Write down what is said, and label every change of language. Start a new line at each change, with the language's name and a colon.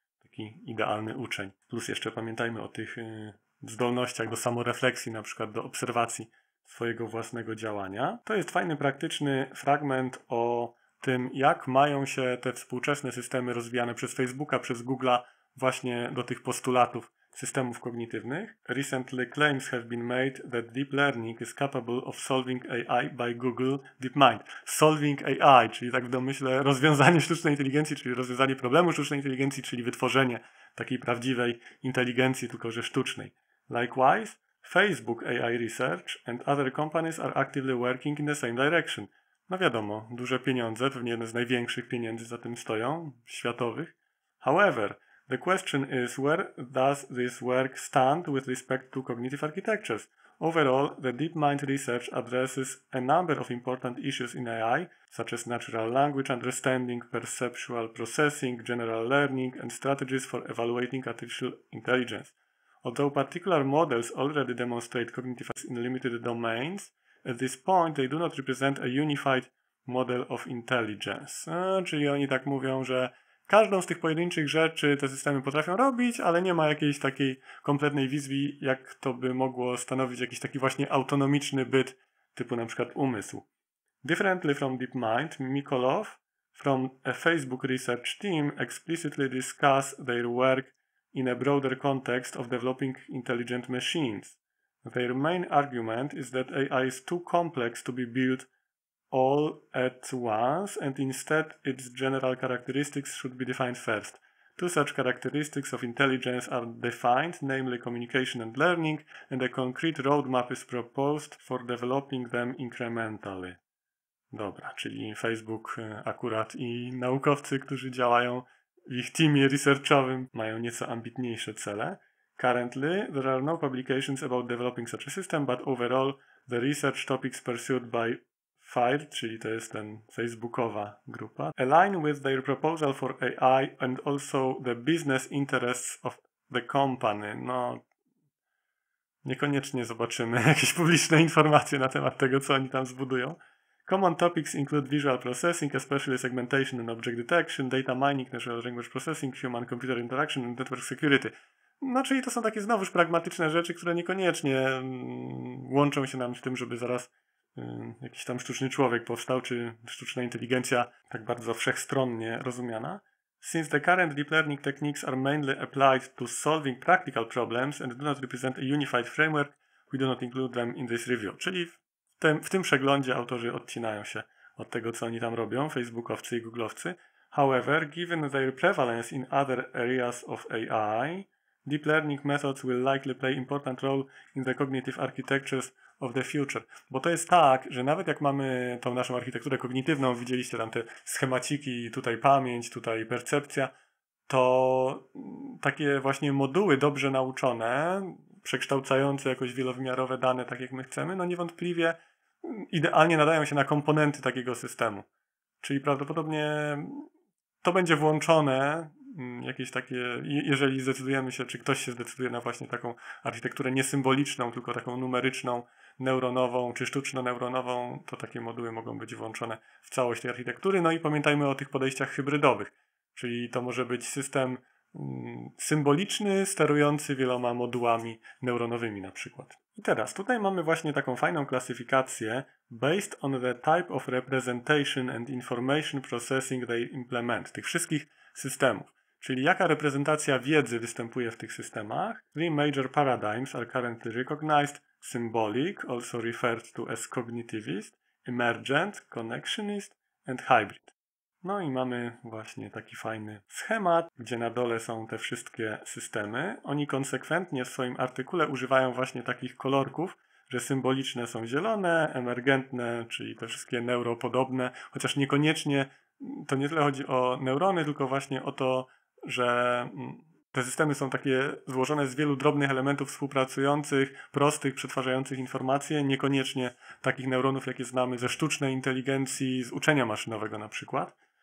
Polish: Taki idealny uczeń. Plus jeszcze pamiętajmy o tych zdolnościach do samorefleksji, na przykład do obserwacji swojego własnego działania. To jest fajny, praktyczny fragment o tym, jak mają się te współczesne systemy rozwijane przez Facebooka, przez Google'a, właśnie do tych postulatów systemów kognitywnych.
English: Recently claims have been made that deep learning is capable of solving AI by Google DeepMind.
Polish: Solving AI, czyli tak w domyśle rozwiązanie sztucznej inteligencji, czyli rozwiązanie problemu sztucznej inteligencji, czyli wytworzenie takiej prawdziwej inteligencji, tylko że sztucznej.
English: Likewise, Facebook AI Research and other companies are actively working in the same direction.
Polish: No wiadomo, duże pieniądze, pewnie jedne z największych pieniędzy za tym stoją, światowych.
English: However, The question is, where does this work stand with respect to cognitive architectures? Overall, the DeepMind research addresses a number of important issues in AI, such as natural language understanding, perceptual processing, general learning, and strategies for evaluating artificial intelligence. Although particular models already demonstrate cognitive in limited domains, at this point they do not represent a unified model of intelligence.
Polish: Czyli oni tak mówią, że każdą z tych pojedynczych rzeczy te systemy potrafią robić, ale nie ma jakiejś takiej kompletnej wizji, jak to by mogło stanowić jakiś taki właśnie autonomiczny byt, typu na przykład umysł.
English: Differently from DeepMind, Mikolov from a Facebook research team explicitly discuss their work in a broader context of developing intelligent machines. Their main argument is that AI is too complex to be built all at once, and instead its general characteristics should be defined first. Two such characteristics of intelligence are defined, namely communication and learning, and a concrete roadmap is proposed for developing them incrementally.
Polish: Dobra, czyli Facebook akurat i naukowcy, którzy działają w ich teamie researchowym, mają nieco ambitniejsze cele.
English: Currently, there are no publications about developing such a system, but overall, the research topics pursued by FIRE,
Polish: czyli to jest ten facebookowa grupa,
English: align with their proposal for AI and also the business interests of the company.
Polish: No, niekoniecznie zobaczymy jakieś publiczne informacje na temat tego, co oni tam zbudują.
English: Common topics include visual processing, especially segmentation and object detection, data mining, natural language processing, human-computer interaction and network security.
Polish: No, czyli to są takie znowuż pragmatyczne rzeczy, które niekoniecznie łączą się nam z tym, żeby zaraz jakiś tam sztuczny człowiek powstał, czy sztuczna inteligencja tak bardzo wszechstronnie rozumiana.
English: Since the current deep learning techniques are mainly applied to solving practical problems and do not represent a unified framework, we do not include them in this review.
Polish: Czyli w tym przeglądzie autorzy odcinają się od tego, co oni tam robią, facebookowcy i googlowcy.
English: However, given their prevalence in other areas of AI, deep learning methods will likely play important role in the cognitive architectures of the future.
Polish: Bo to jest tak, że nawet jak mamy tą naszą architekturę kognitywną, widzieliście tam te schemaciki, tutaj pamięć, tutaj percepcja, to takie właśnie moduły dobrze nauczone, przekształcające jakoś wielowymiarowe dane, tak jak my chcemy, no niewątpliwie idealnie nadają się na komponenty takiego systemu. Czyli prawdopodobnie to będzie włączone jakieś takie, jeżeli zdecydujemy się, czy ktoś się zdecyduje na właśnie taką architekturę niesymboliczną, tylko taką numeryczną, neuronową czy sztuczno-neuronową, to takie moduły mogą być włączone w całość tej architektury. No i pamiętajmy o tych podejściach hybrydowych, czyli to może być system symboliczny, sterujący wieloma modułami neuronowymi na przykład. I teraz, tutaj mamy właśnie taką fajną klasyfikację
English: based on the type of representation and information processing they implement,
Polish: tych wszystkich systemów. Czyli jaka reprezentacja wiedzy występuje w tych systemach? Three major paradigms are currently recognized: symbolic, also referred to as cognitivist, emergent, connectionist and hybrid. No i mamy właśnie taki fajny schemat, gdzie na dole są te wszystkie systemy. Oni konsekwentnie w swoim artykule używają właśnie takich kolorków, że symboliczne są zielone, emergentne, czyli te wszystkie neuropodobne, chociaż niekoniecznie to nie tyle chodzi o neurony, tylko właśnie o to, że te systemy są takie złożone z wielu drobnych elementów współpracujących, prostych, przetwarzających informacje, niekoniecznie takich neuronów, jakie znamy ze sztucznej inteligencji, z uczenia maszynowego na przykład.